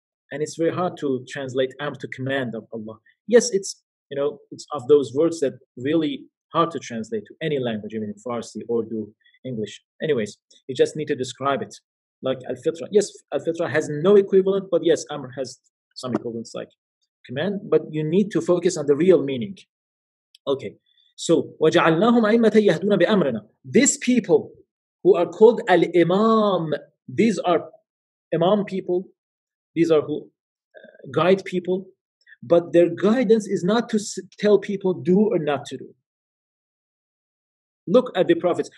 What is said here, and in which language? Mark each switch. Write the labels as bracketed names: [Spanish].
[English] And it's very hard to translate amr to command of Allah. Yes, it's, you know, it's of those words that really hard to translate to any language, even in Farsi or do English. Anyways, you just need to describe it. Like al-fitrah. Yes, al-fitrah has no equivalent, but yes, amr has some equivalents like command, but you need to focus on the real meaning. Okay, so [Arabic] وَجَعَلْنَاهُمْ أَئِمَّةً يَهْدُونَ بِأَمْرِنَا. [English] These people who are called al-imam, these are imam people, these are who guide people, but their guidance is not to tell people do or not to do. Look at the prophets.